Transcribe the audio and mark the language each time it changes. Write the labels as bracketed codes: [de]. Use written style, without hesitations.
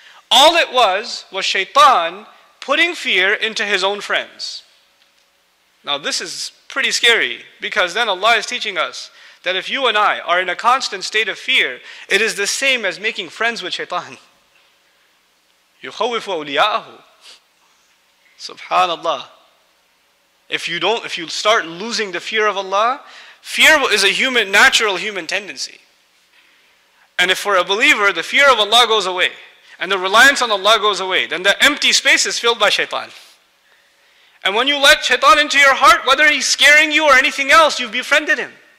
[en] All it was shaitan putting fear into his own friends. Now this is pretty scary, because then Allah is teaching us that if you and I are in a constant state of fear, it is the same as making friends with shaitan. [ar] يُخَوِّفُ أَوْلِيَاءَهُ SubhanAllah. [en] If you start losing the fear of Allah, fear is a human, natural human tendency. And if for a believer, the fear of Allah goes away, and the reliance on Allah goes away, then the empty space is filled by shaitan. And when you let shaitan into your heart, whether he's scaring you or anything else, you've befriended him.